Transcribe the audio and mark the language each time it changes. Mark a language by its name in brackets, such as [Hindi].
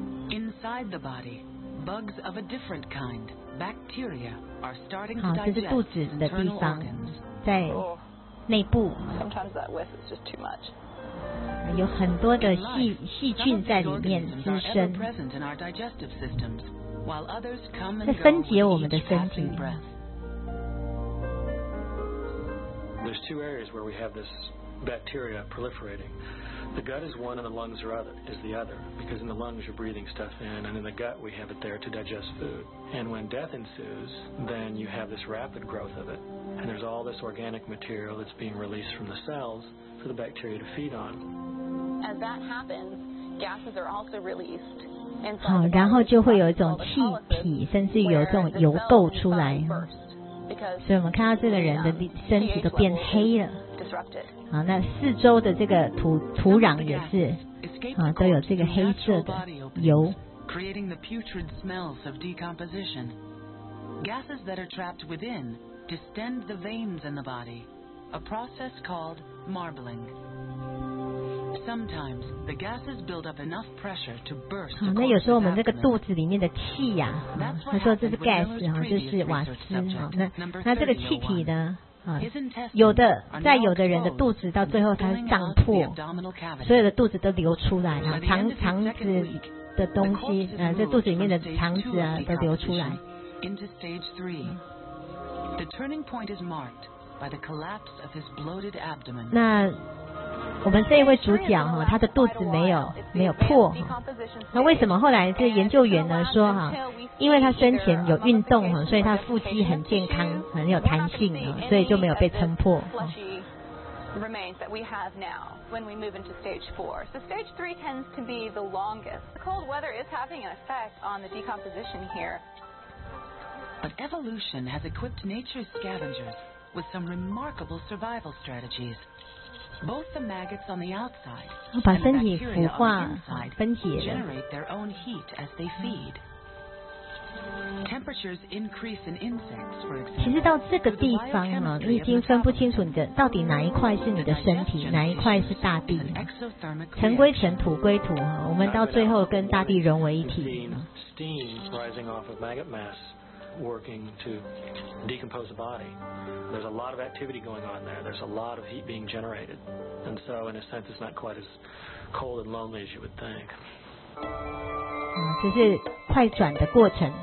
[English] Inside the body, bugs of a different kind, bacteria are starting to digest. [Chinese] 好，这是肚子的地方，在内部。 [English] Sometimes that whiff is just too much. [Chinese] 有很多的细菌在里面滋生，在分解我们的身体。 [English] There's two areas where we have this bacteria proliferating. The gut is one and the lungs are other, is the other, because in the lungs you're breathing stuff in, and in the gut we have it there to digest food. And when death ensues, then you have this rapid growth of it, and there's all this organic material that's being released from the cells for the bacteria to feed on. As that happens, gases are also released. [Chinese] 好，然后就会有一种气体，甚至有这种油垢出来，所以我们看到这个人的身体都变黑了。好，那四周的这个 土壤也是，啊，都有这个黑色的油。 [English] Creating the putrid smells of decomposition. Gases that are trapped within distend the veins in the body, a process called marbling. Sometimes the gases build up enough pressure to burst. [Chinese] 好，那有时候我们这个肚子里面的气呀、啊，他说这是 gas 哈，就是瓦斯哈。那这个气体呢，啊，有的在有的人的肚子到最后它胀破，所有的肚子都流出来了，肠子的东西，这肚子里面的肠子啊都流出来。 [English] Into stage three, the turning point is marked by the collapse of his bloated abdomen. [Chinese] 那我们这一位主角哈，他的肚子没有破。那为什么后来这研究员呢说哈，因为他生前有运动哈，所以他腹肌很健康，很有弹性哈，所以就没有被撑破。 [English] Remains that we have now when we move into stage four. So stage three tends to be the longest. The cold weather is having an effect on the decomposition here. But evolution has equipped nature's scavengers with some remarkable survival strategies. Both the maggots on the outside and the bacteria on the inside generate their own heat as they feed. Temperatures increase in insects, for example. [Chinese] 其实到这个地方呢，你已经分不清楚你的到底哪一块是你的身体，哪一块是大地。尘归尘，土归土，我们到最后跟大地融为一体。 [English] Steam rising off of maggot mass working to decompose the body. There's a lot of activity going on there. There's a lot of heat being generated. And so, in a sense, it's not quite as cold and lonely as you would think. [Chinese] 这是快转的过程。